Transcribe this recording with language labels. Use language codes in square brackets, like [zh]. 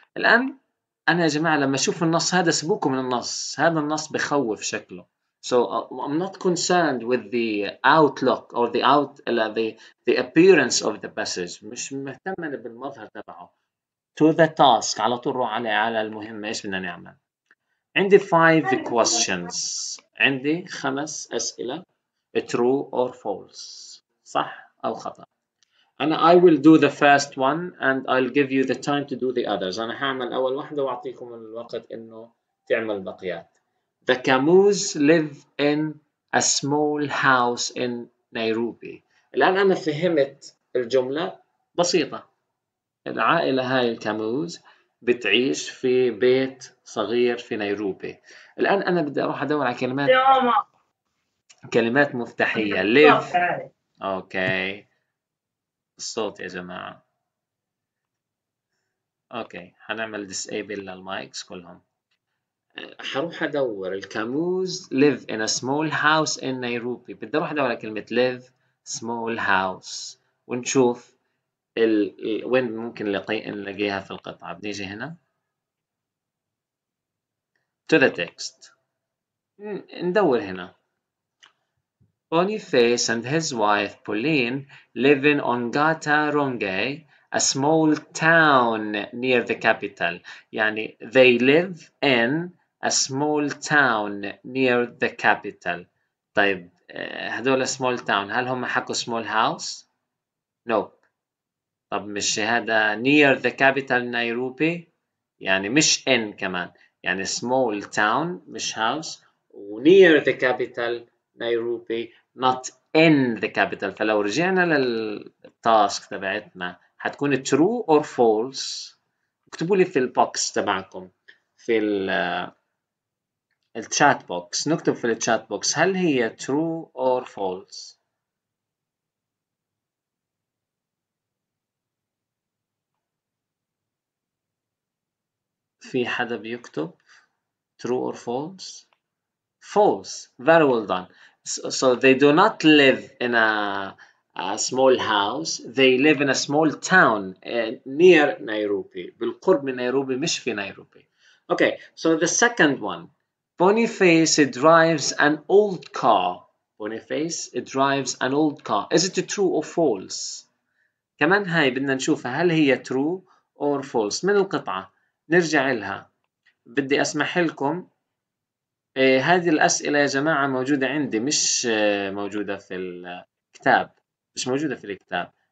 [ar] الآن أنا يا جماعة لما أشوف النص هذا سبوكم من النص، هذا النص بخوف شكله. [en] So I'm not concerned with the outlook or the out the appearance of the passage. [ar] مش مهتم أنا بالمظهر تبعه. [en] To the task، [ar] على طول روح على المهمة، إيش بدنا نعمل؟ عندي [en] five questions، [ar] عندي خمس أسئلة، [en] true or false، [ar] صح أو خطأ. [en] And I will do the first one and I'll give you the time to do the others. [ar] أنا هعمل أول واحدة وأعطيكم الوقت إنه تعمل البقيات. [en] The Camus live in a small house in Nairobi. [ar] الآن أنا فهمت الجملة بسيطة. العائلة هاي الكاموز بتعيش في بيت صغير في نيروبي. الآن أنا بدي أروح أدور على كلمات كلمات مفتاحية. live. أوكي. الصوت يا جماعة. اوكي هنعمل disable للمايكس كلهم. هروح ادور [en] الكاموز live in a small house in Nairobi. [ar] بدي اروح ادور كلمة [en] live small house [ar] ونشوف وين ممكن نلاقيها في القطعة. بنيجي هنا [en] to the text [ar] ندور هنا. [en] Boniface and his wife Pauline live in Ongata Rongai, a small town near the capital. [ar] يعني [en] they live in a small town near the capital. [ar] طيب هذول [en] small town، [ar] هل هم حكوا [en] small house؟ Nope. [ar] طب مش هذا [en] near the capital Nairobi؟ [ar] يعني مش [en] in [ar] كمان، يعني [en] small town مش house، near the capital Nairobi not in the capital. [ar] فلو رجعنا للتاسك تبعتنا هتكون [en] true or false. [ar] اكتبوا لي في البوكس تبعكم في الشات بوكس، نكتب في الشات بوكس هل هي [en] true or false. [ar] في حدا بيكتب [en] true or false؟ false. very well done. So they do not live in a small house. They live in a small town near Nairobi. [ar] بالقرب من نيروبي مش في نيروبي. [en] Okay, so the second one. Boniface drives an old car. Boniface, it drives an old car. Is it true or false? [ar] كمان هاي بدنا نشوفها هل هي [en] true or false. [ar] من القطعة نرجع لها. بدي أسمح لكم هذه الأسئلة يا جماعة موجودة عندي، مش موجودة في الكتاب، مش موجودة في الكتاب.